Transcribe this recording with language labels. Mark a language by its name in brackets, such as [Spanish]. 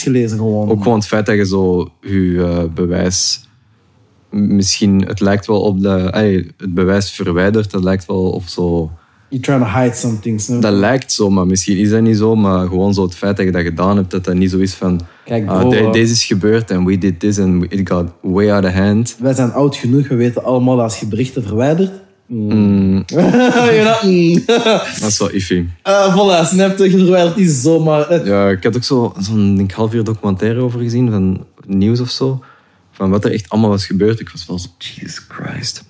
[Dutch] Gelezen, gewoon. Ook gewoon het feit dat je zo... je bewijs... Misschien, het lijkt wel op de... het bewijs verwijderd, dat lijkt wel op zo... [English] You're trying to hide something. So. [Dutch] Dat lijkt zo, maar misschien is dat niet zo. Maar gewoon zo het feit dat je dat gedaan hebt, dat niet zo is van... Kijk, deze is gebeurd en [English] we did this and it got way out of hand. [Dutch] Wij zijn oud genoeg, we weten allemaal dat als je berichten verwijdert... Dat is wel iffy. Voilà, snap je, je verwijdert niet zomaar. Ja, ik heb ook zo'n half uur documentaire over gezien, van nieuws of zo. Van wat er echt allemaal was gebeurd. Ik was wel zo, [English] Jesus Christ.